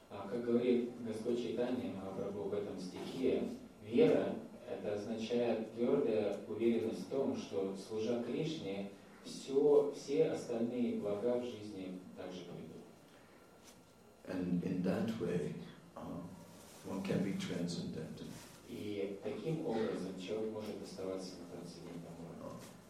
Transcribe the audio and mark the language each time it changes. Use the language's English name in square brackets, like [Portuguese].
[Russian] Как говорит Господь Чайтанья Махапрабху в этом стихе, вера – это означает твердая уверенность в том, что, служа Кришне, все остальные блага в жизни также придут. [English] And in that way, one can be transcendental. [Russian] И таким образом человек может оставаться на трансцендентном уровне.